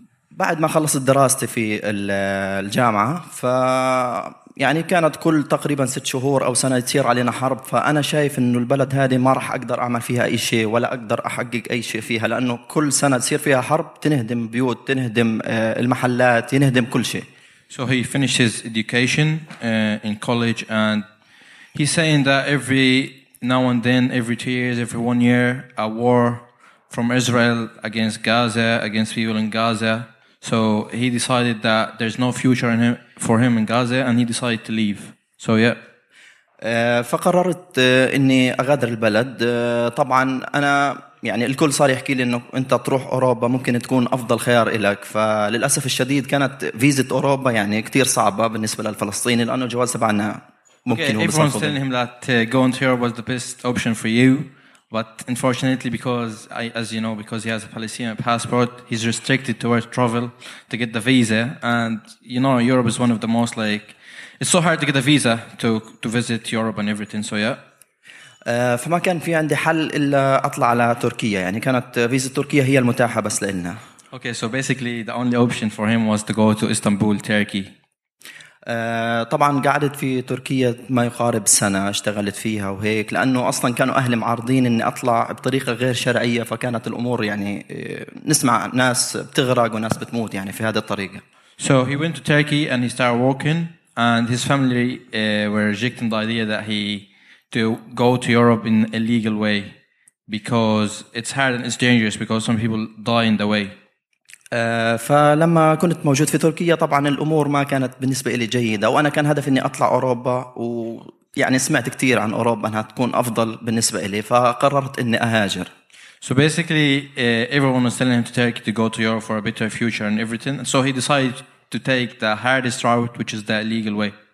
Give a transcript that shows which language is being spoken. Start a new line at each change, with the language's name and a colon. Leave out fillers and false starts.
Arabic: بعد ما خلصت دراستي في الجامعة, ف يعني كانت كل تقريبا 6 شهور أو سنة تصير علينا حرب, فأنا شايف إنه البلد هذه ما راح أقدر أعمل فيها أي شيء ولا أقدر أحقق أي شيء فيها, لأنه كل سنة تصير فيها حرب تنهدم بيوت, تنهدم المحلات, ينهدم كل شيء.
English: So he finishes education in college, and he's saying that every now and then, every 2 years, every 1 year, a war from Israel against Gaza, against people in Gaza. So he decided that there's no future in him, for him in Gaza, and he decided to leave. So yeah.
Arabic: فقررت اني اغادر البلد. طبعا انا يعني الكل صار يحكي لي انه انت تروح اوروبا ممكن تكون افضل خيار لك, فللاسف الشديد كانت فيزا اوروبا يعني كثير صعبه بالنسبه للفلسطيني لانه الجواز تبعنا ممكن هو بس.
English: Everyone's telling him that going to Europe was the best option for you. But unfortunately, because he has a Palestinian passport, he's restricted to where travel to get the visa. And, you know, Europe is one of the most, like, it's so hard to get a visa to visit Europe and everything. So, yeah.
Arabic: فما كان في عندي حل إلا أطلع على تركيا. يعني كانت فيزا تركيا هي المتاحة بس لنا.
English: Okay, so basically the only option for him was to go to Istanbul, Turkey.
Arabic: طبعا قعدت في تركيا ما يقارب سنة اشتغلت فيها وهيك, لأنه أصلا كانوا أهلي معارضين إني أطلع بطريقة غير شرعية, فكانت الأمور يعني نسمع ناس بتغرق وناس بتموت يعني في هذه الطريقة.
English: So he went to Turkey and he started working, and his family were rejecting the idea that he to go to Europe in a legal way, because it's hard and it's dangerous, because some people die in the way.
Arabic: فلما كنت موجود في تركيا طبعا الأمور ما كانت بالنسبة لي جيدة وأنا كان هدفي إني أطلع أوروبا ويعني سمعت كتير عن أوروبا أنها تكون أفضل بالنسبة لي فقررت إني أهاجر.
English: So basically everyone was telling him to take to go to Europe for a better future and everything. So he decided to take the hardest route, which is the legal way.